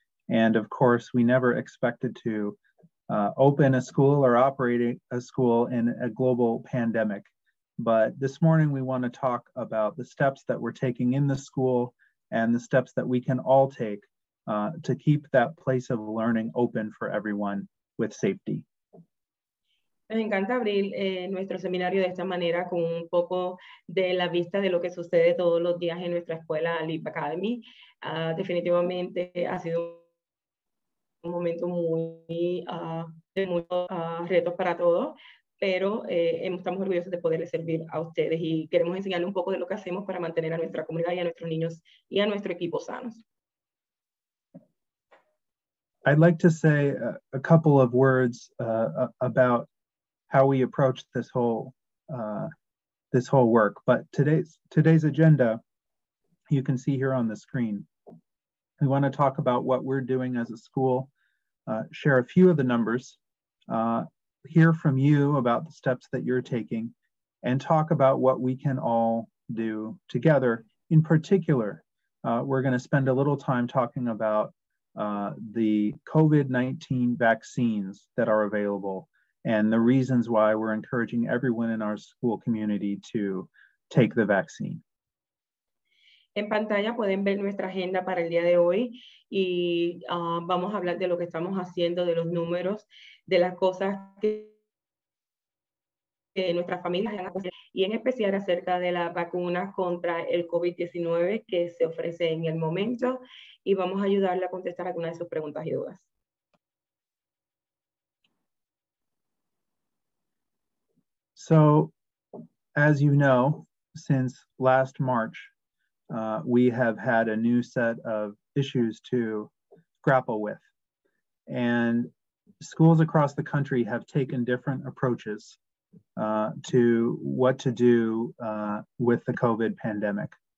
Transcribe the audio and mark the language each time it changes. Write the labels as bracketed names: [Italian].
[English] And of course, we never expected to open a school or operate a school in a global pandemic. But this morning, we want to talk about the steps that we're taking in the school and the steps that we can all take to keep that place of learning open for everyone with safety. [Spanish] Nos encanta abrir nuestro seminario de esta manera con un poco de la vista de lo que sucede todos los días en nuestra escuela LEAP Academy. Definitivamente ha sido un momento de muchos retos para todos, pero estamos orgullosos de poderles servir a ustedes y queremos enseñarles un poco de lo que hacemos para mantener a nuestra comunidad y a nuestros niños y a nuestro equipo sanos. [English] I'd like to say a couple of words about how we approach this whole work. But today's agenda, you can see here on the screen. We want to talk about what we're doing as a school, share a few of the numbers, hear from you about the steps that you're taking, and talk about what we can all do together. In particular, we're going to spend a little time talking about the COVID-19 vaccines that are available and the reasons why we're encouraging everyone in our school community to take the vaccine. [Spanish] En pantalla pueden ver nuestra agenda para el día de hoy y vamos a hablar de lo que estamos haciendo, de los números, de las cosas que nuestras familias han hecho y en especial acerca de la vacuna contra el COVID-19 que se ofrece en el momento y vamos a ayudarle a contestar algunas de sus preguntas y dudas. [English] So, as you know, since last March, we have had a new set of issues to grapple with. And schools across the country have taken different approaches to what to do with the COVID pandemic.